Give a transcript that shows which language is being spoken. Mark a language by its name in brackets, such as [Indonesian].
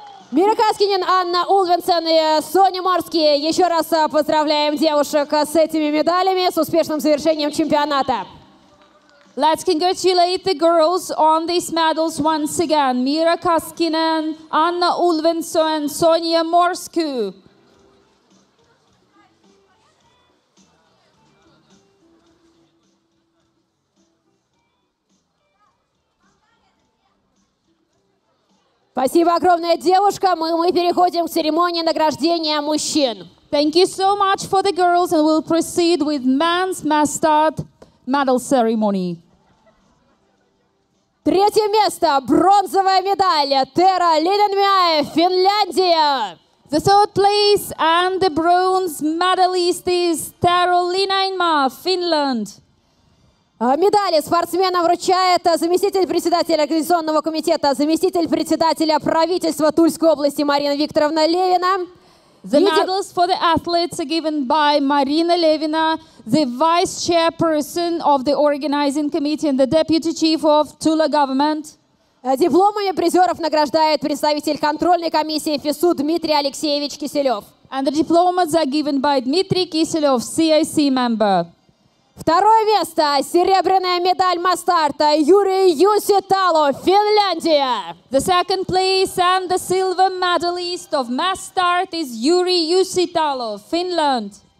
[Russian] Мира Каскинен, Анна Ульвенсен и Соня Морски. Еще раз поздравляем девушек с этими медалями, с успешным завершением чемпионата. [English] Let's congratulate the girls on these medals once again. [Russian] Мира Каскинен, Анна Ульвенсен, Соня Морски. Спасибо огромное, девушка. Мы переходим к церемонии награждения мужчин. [English] Thank you so much for the girls, and we'll proceed with men's mascot medal ceremony. [Russian] Третье место, бронзовая медаль, Тера Лиденмяе, Финляндия. [English] The third place and the bronze medalist is Tero Linnanmaa, Finland. [Russian] Медали спортсмена вручает заместитель председателя Организационного комитета, заместитель председателя правительства Тульской области Марина Викторовна Левина. [English] The medals for the athletes are given by Marina Levina, the vice chairperson of the organizing committee and the deputy chief of Tula government. [Russian] Дипломами призеров награждает представитель контрольной комиссии ФИСУ Дмитрий Алексеевич Киселев. [English] And the diplomas are given by Dmitry Kiselev, CIC member. [Russian] Второе место. Серебряная медаль Мастарта Юрий Юситало, Финляндия. [English] The second place and the silver medalist of Mastart is Юрий Юситало, Finland.